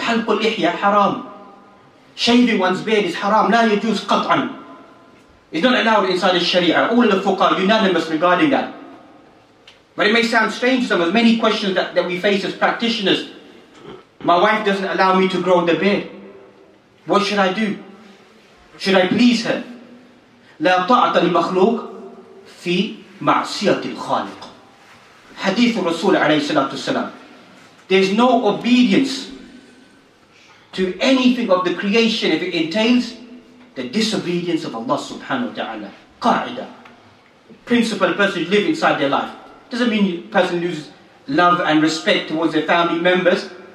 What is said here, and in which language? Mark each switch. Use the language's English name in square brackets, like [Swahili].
[Arabic] Halqul lihya haram. [English] Shaving one's beard is haram. [Arabic] La yajuz qat'an. [English] It's not allowed inside the sharia. All the fuqaha are unanimous regarding that. But it may sound strange to some of us. Many questions that we face as practitioners. My wife doesn't allow me to grow the beard. What should I do? Should I please her? [Arabic] لا طاعة المخلوق في معصية الخالق. [English] Hadith of Rasul alayhi salatu wasalam. There's no obedience to anything of the creation if it entails the disobedience of Allah subhanahu wa ta'ala. Qa'idah. Principle a person should live inside their life. Doesn't mean a person loses love and respect towards their family members.